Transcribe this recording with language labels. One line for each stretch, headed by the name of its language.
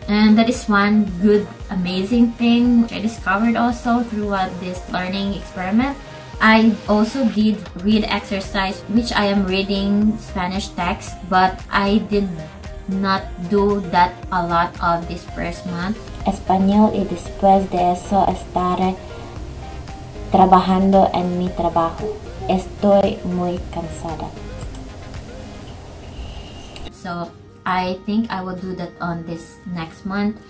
English: And that is one good, amazing thing which I discovered also throughout this learning experiment. I also did read exercise, which I am reading Spanish text, but I did not do that a lot of this first month.
Spanish: Español y después de eso estaré trabajando en mi trabajo. Estoy muy cansada.
English: So I think I will do that on this next month.